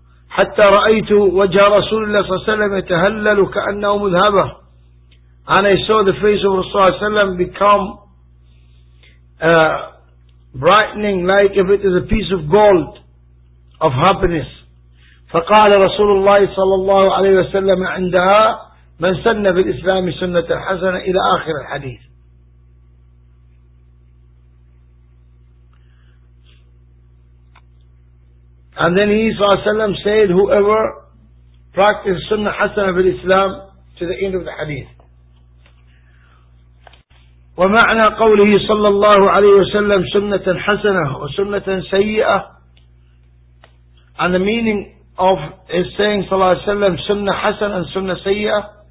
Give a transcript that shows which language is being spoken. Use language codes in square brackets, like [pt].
[ar] حتى رأيت وجه رسول الله صلى الله عليه وسلم يتهلل كأنه مذهبة. [en] And I saw the face of Rasulullah [ar] صلى الله عليه وسلم [en] become brightening like if it is a piece of gold of happiness. [ar] فقال رسول الله صلى الله عليه وسلم عندها من سن في الإسلام سنة حسنة إلى آخر الحديث. [en] And then he said, whoever practices sunnah hasana of Islam, to the end of the hadith. [ar] ومعنى قوله صلى الله عليه وسلم سنة حسنة وسنة سيئة. [en] And the meaning of his saying [ar] صلى الله عليه وسلم سنة حسنة [en] and [ar] سنة سيئة,